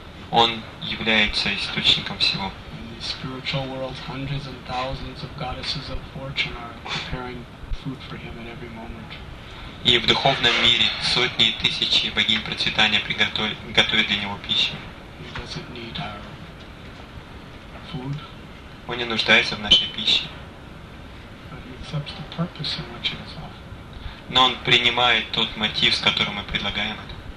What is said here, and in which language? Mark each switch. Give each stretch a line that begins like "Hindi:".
Russian: Он является источником всего.
English: In the spiritual world, hundreds and thousands of goddesses of fortune are preparing food for him at every moment.
Russian: И в духовном мире сотни и тысячи богинь процветания готовят для него пищу.
English: He doesn't need our food.
Russian: Он не нуждается в нашей пище.
English: But he accepts the purpose in which it is offered.
Russian: Но он принимает тот мотив, с которым мы предлагаем это.